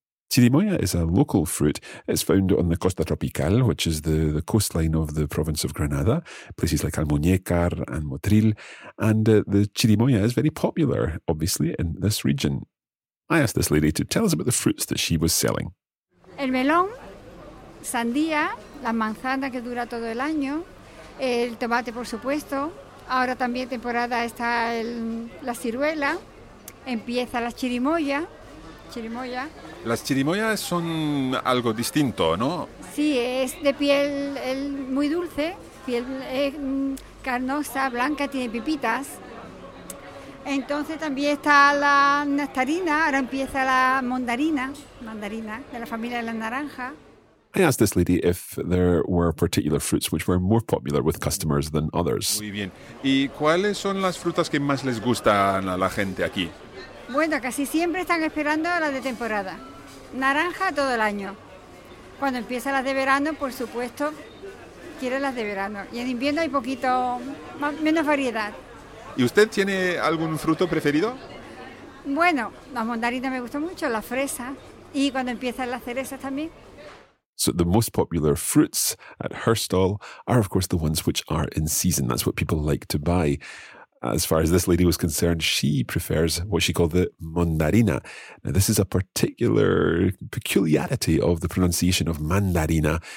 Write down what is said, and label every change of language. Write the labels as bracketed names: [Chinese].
[English] Chirimoya is a local fruit. It's found on the Costa Tropical, which is the coastline of the province of Granada, places like Almuñécar and Motril. And the chirimoya is very popular, obviously, in this region. I asked this lady to tell us about the fruits that she was selling. [Spanish] El melón, sandía, la manzana que dura todo el año, el tomate, por supuesto. Ahora también temporada está la ciruela, empieza la chirimoya. Chirimoya. Las chirimoyas son algo distinto, ¿no? Sí, es de piel muy dulce, piel carnosa, blanca, tiene pipitas. Entonces también está la nectarina, ahora empieza la mandarina, de la familia de la naranja. [English] I asked this lady if there were particular fruits which were more popular with customers than others. [Spanish] Muy bien. ¿Y cuáles son las frutas que más les gustan a la gente aquí? Bueno, casi siempre están esperando las de temporada. Naranja todo el año. Cuando empiezan las de verano, por supuesto, quieren las de verano. Y en invierno hay poquito, menos variedad. ¿Y usted tiene algún fruto preferido? Bueno, las mandarinas me gustan mucho, las fresas. Y cuando empiezan las cerezas también. [English] So the most popular fruits at her stall are, of course, the ones which are in season. That's what people like to buy. As far as this lady was concerned, she prefers what she called the mandarina. Now, this is a particular peculiarity of the pronunciation of mandarina.